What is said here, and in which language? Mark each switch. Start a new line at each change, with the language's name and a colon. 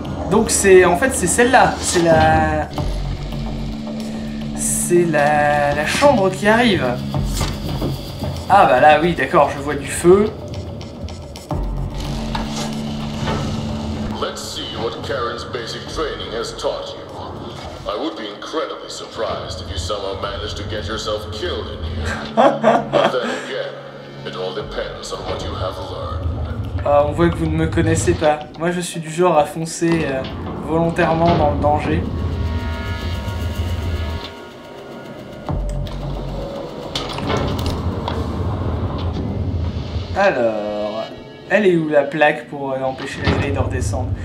French: Donc c'est en fait c'est celle-là, c'est la chambre qui arrive. Ah bah là oui, d'accord, je vois du feu.
English: Let's see what Karen's basic training has taught you. I would be incredibly surprised if you somehow managed to get yourself killed in here. But then again, it all depends on what you have learned.
French: Ah, on voit que vous ne me connaissez pas. Moi, je suis du genre à foncer volontairement dans le danger. Alors, elle est où la plaque pour empêcher les grilles de redescendre?